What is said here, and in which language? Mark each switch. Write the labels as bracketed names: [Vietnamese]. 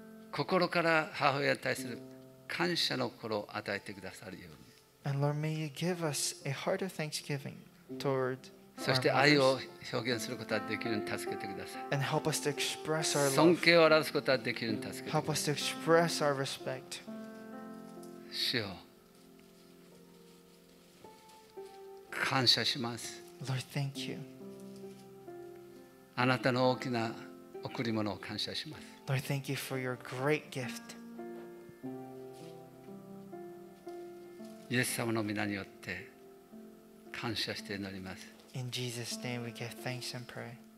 [Japanese] 心から母親に対する感謝の心を与えてくださるように。 [English] And Lord, may you give us a heart of thanksgiving. Toward [Japanese] そして愛を表現することができるように助けてください。 [English] And help us to express our love. [Japanese] 尊敬を表すことができるように助けてください。 [English] Help us to express our respect. [Japanese] 主よ、感謝します。 [English] Lord, thank you. [Japanese] あなたの大きな贈り物を感謝します。 [English] Lord, thank you for your great gift. [Japanese] イエス様の御名によって。感謝して祈ります。 [English] In Jesus' name we give thanks and pray.